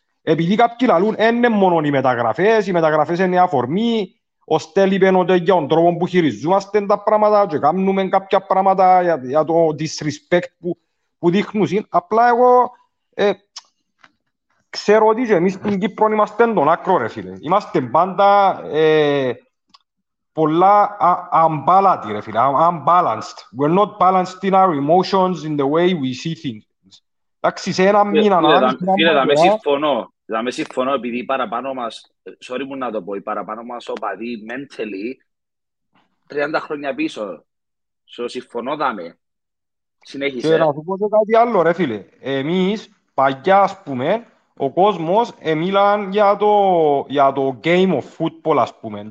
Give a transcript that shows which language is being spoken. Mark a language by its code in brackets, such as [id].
[el] Επειδή κάποιοι λαλούν, είναι μόνο οι μεταγραφές είναι αφορμή, ώστε λείπαινε ότι για τον τρόπο που χειριζόμαστε τα πράγματα και κάνουμε κάποια πράγματα για το disrespect που δείχνουν. Απλά εγώ ξέρω ότι εμείς στην Κύπρο είμαστε τον άκρο, ρε φίλε. Είμαστε πάντα πολλά unbalanced, ρε φίλε, unbalanced. [en] We're not balanced in our emotions, in the way we see things. [el] Εντάξει, σε ένα μήνα... Φίλε, θα με συμφωνώ. Θα με συμφωνώ, επειδή παραπάνω μας... Sorry μου να το πω, παραπάνω μας οπαδί, mentally, 30 χρόνια πίσω. Σε συμφωνώ, δάμε. Συνέχισε. Και να σου πω και κάτι άλλο, ρε φίλε. Εμείς, παγιά, ας πούμε, ο κόσμος μίλαν για το [en] game of football, [el] ας πούμε.